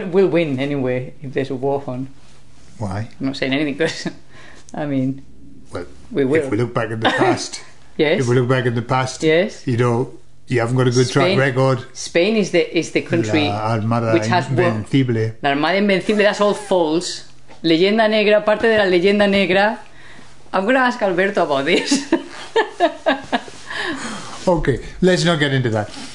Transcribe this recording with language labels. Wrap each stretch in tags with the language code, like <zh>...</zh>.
<en>We'll win anyway if there's a war on. Why? I'm not saying anything, because, I mean, well, we will. If we look back in the past. Yes. If we look back in the past. Yes. You know, you haven't got a good track record. Spain is the country which has</en> <es>invencible.</es> <en>La Armada Invencible, that's all false.</en> <es>Leyenda negra, parte de la leyenda negra.</es> <en>I'm going to ask Alberto about this. Okay, let's not get into that.</en>